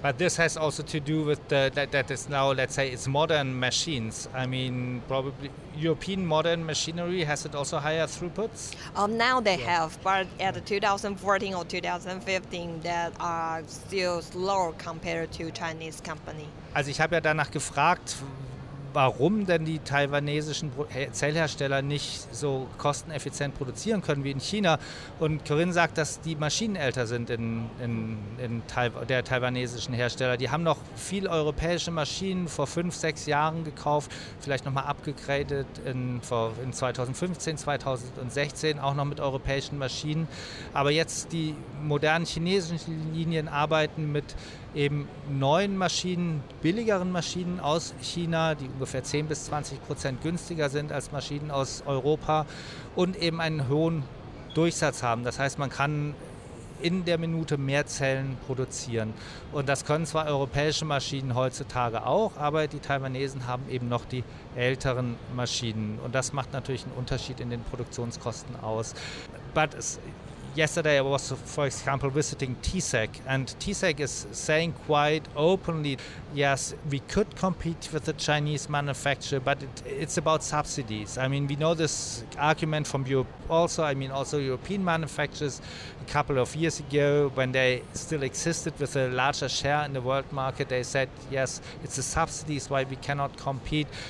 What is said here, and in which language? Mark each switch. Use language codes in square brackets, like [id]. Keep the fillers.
[en] But this has also to do with the, that, that is now, let's say, it's modern machines. I mean, probably European modern machinery has it also higher throughputs? Um, now they yeah. have, but at 2014 or 2015, that are still slow compared to Chinese company. [de] Also ich habe ja danach gefragt, warum denn die taiwanesischen Zellhersteller nicht so kosteneffizient produzieren können wie in China. Und Corinne sagt, dass die Maschinen älter sind in, in, in der taiwanesischen Hersteller. Die haben noch viel europäische Maschinen vor fünf, sechs Jahren gekauft, vielleicht nochmal abgegradet in, in 2015, 2016 auch noch mit europäischen Maschinen. Aber jetzt die modernen chinesischen Linien arbeiten mit eben neuen Maschinen, billigeren Maschinen aus China, die ungefähr 10 bis 20 Prozent günstiger sind als Maschinen aus Europa und eben einen hohen Durchsatz haben. Das heißt, man kann in der Minute mehr Zellen produzieren. Und das können zwar europäische Maschinen heutzutage auch, aber die Taiwanesen haben eben noch die älteren Maschinen. Und das macht natürlich einen Unterschied in den Produktionskosten aus. [en] But yesterday I was, for example, visiting TSEC, and TSEC is saying quite openly, yes, we could compete with the Chinese manufacturer, but it, it's about subsidies. I mean, we know this argument from Europe also. I mean, also European manufacturers a couple of years ago, when they still existed with a larger share in the world market, they said, yes, it's the subsidies why we cannot compete.